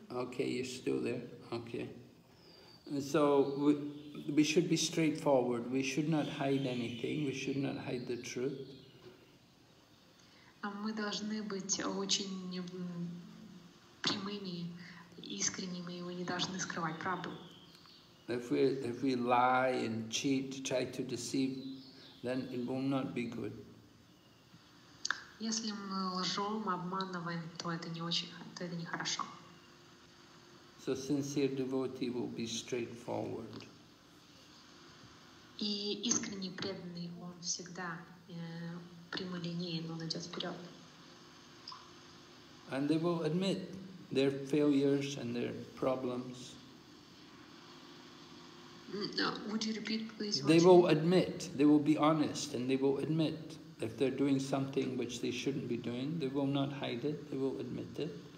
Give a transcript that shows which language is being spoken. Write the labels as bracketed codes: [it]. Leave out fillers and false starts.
[en] Okay, you're still there. Okay. So we should be straightforward. We should not hide anything. We should not hide the truth. [ru] Мы должны быть очень прямыми, искренними, и мы не должны скрывать правду. [en] If we lie and cheat, try to deceive, then it will not be good. [ru] Если мы лжем, обманываем, то это не очень, то это не хорошо. [en] So sincere devotee will be straightforward. [ru] И искренний преданный, он всегда прямолинеен, он идет вперед. [en] And they will admit their failures and their problems. Would you repeat, please? They will admit, they will be honest, and they will admit if they're doing something which they shouldn't be doing, they will not hide it, they will admit it.